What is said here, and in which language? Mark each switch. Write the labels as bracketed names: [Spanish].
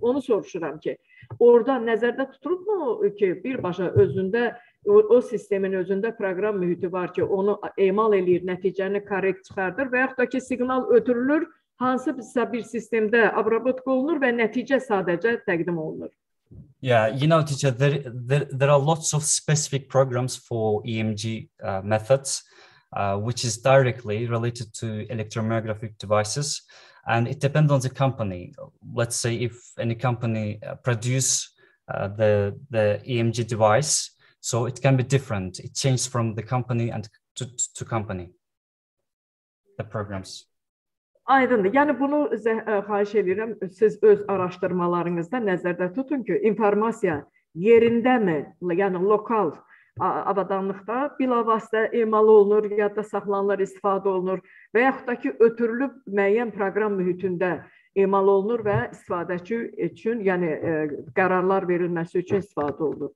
[Azerbaijani] Onu soruşuram ki, orada nəzərdə tuturub mu ki, birbaşa özündə, o sistemin özündə proqram mühiti var ki, onu emal eləyir, nəticəni korrekt çıxardır və yaxud da ki, siqnal ötürülür, hansısa bir sistemdə abrabotka olunur və nəticə sadəcə təqdim olunur. [English] Yeah, you know, teacher, there are lots of specific programs for EMG methods, which is directly related to electromyographic devices. And it depends on the company. Let's say if any company produce the EMG device, so it can be different. It changes from the company and to company, the programs. [Azerbaijani] Aydındır. Yani bunu xahiş edirəm, siz öz araşdırmalarınızda nəzərdə tutun ki, informasiya yerində mi, yani lokal avadanlıqda bilavasitə emal olunur, yadda saxlanılır, istifadə olunur və yaxud da ki, ötürülüb müəyyən proqram mühitində emal olunur və istifadəçi üçün, yəni qərarlar verilməsi üçün istifadə olunur.